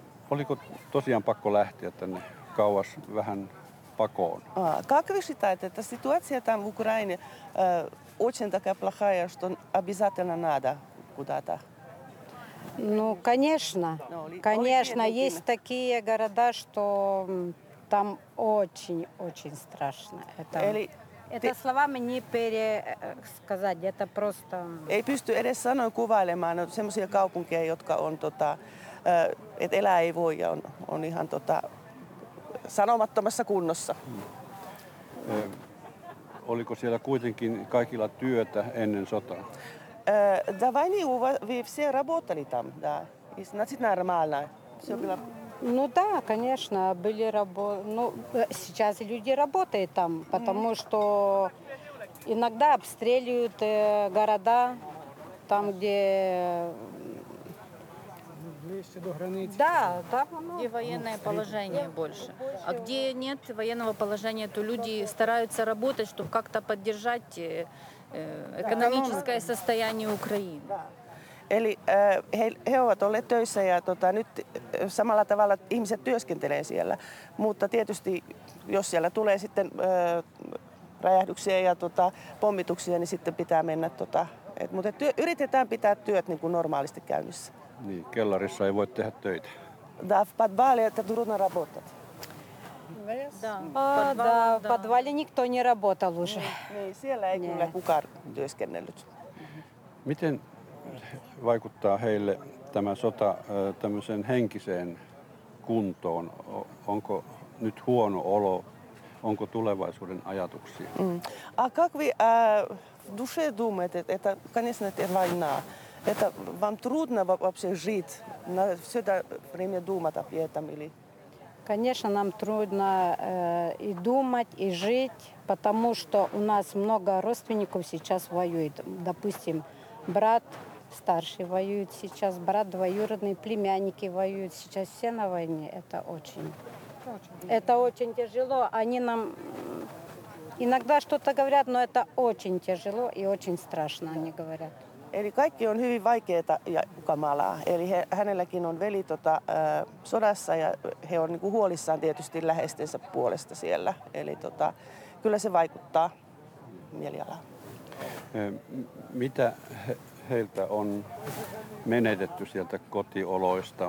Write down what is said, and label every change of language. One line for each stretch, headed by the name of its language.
Finnish: Oliko tosiaan pakko lähteä tänne kauas vähän pakoon?
Russian: Как вы считаете,
Finnish: että
Russian: ситуация там в Украине очень такая плохая, что обязательно надо куда-то? Ну, конечно. Конечно, есть такие города, что там очень-очень страшно. Это словами не пересказать, это просто...
Finnish: Ei pysty edes sanoin kuvailemaan, no, semmoisia kaupunkeja, jotka on, että elää ei voi ja on ihan sanomattomassa kunnossa. Oliko siellä kuitenkin kaikilla työtä ennen sotaa?
Russian: Да, войны вы все работали там, да. И значит нормально. Все было. Ну да, конечно, были работы. Ну сейчас люди работают там, потому что иногда обстреливают города там, где близко до границы. Да, да. Где военное положение больше. А где нет военного положения, то люди стараются работать, чтобы как-то поддержать экономическое состояние Украины.
Finnish: Eli he ovat olleet töissä ja nyt samalla tavalla ihmiset työskentelee siellä, mutta tietysti jos siellä tulee sitten räjähdyksiä ja pommituksia, niin sitten pitää mennä mutta yritetään pitää työt niin kuin normaalisti käynnissä. Niin, kellarissa ei voi tehdä töitä.
Russian: Да, в подвале это трудно работать. Да, в подвале никто не работал уже.
Finnish: Siellä ei kyllä kukaan työskennellyt. Miten vaikuttaa heille tämä sota tämmöiseen henkiseen kuntoon? Onko nyt huono olo? Onko tulevaisuuden ajatuksia?
Russian: А как вы в душе думаете? Это, конечно, это война. Это вам трудно вообще жить? На все это время думать об этом или... Конечно, нам трудно и думать, и жить, потому что у нас много родственников сейчас воюют. Допустим, брат старший воюет сейчас, брат двоюродный, племянники воюют сейчас, все на войне. Это очень тяжело. Они нам иногда что-то говорят, но это очень тяжело и очень страшно, они говорят.
Finnish: Eli kaikki on hyvin vaikeaa ja kamalaa. Eli hänelläkin on veli sodassa ja he on niinku huolissaan tietysti läheistensä puolesta siellä. Eli kyllä se vaikuttaa mielialaan. Mitä heiltä on menetetty sieltä kotioloista?